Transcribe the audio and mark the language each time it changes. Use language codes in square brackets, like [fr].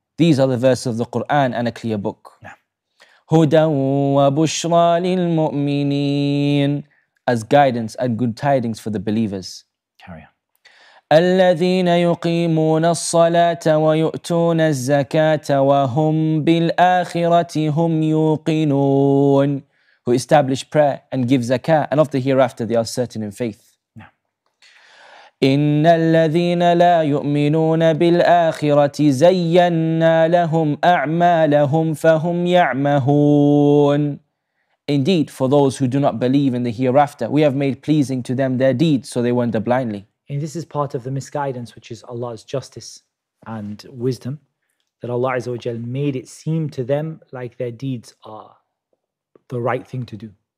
[en] These are the verses of the Quran and a clear book. [ar] هدى وبشرى للمؤمنين. [en] As guidance and good tidings for the believers. Carry on. [ar] الذين يقيمون الصلاة ويؤتون الزكاة وهم بالآخرة هم يوقنون. [en] Who establish prayer and give zakah, and of the hereafter they are certain in faith. [ar] إن الذين لا يؤمنون بالآخرة زينا لهم أعمالهم فهم يعمهون. [en] Indeed, for those who do not believe in the hereafter, we have made pleasing to them their deeds, so they wander blindly. And this is part of the misguidance, which is Allah's justice and wisdom, that Allah Azza wa Jal made it seem to them like their deeds are the right thing to do.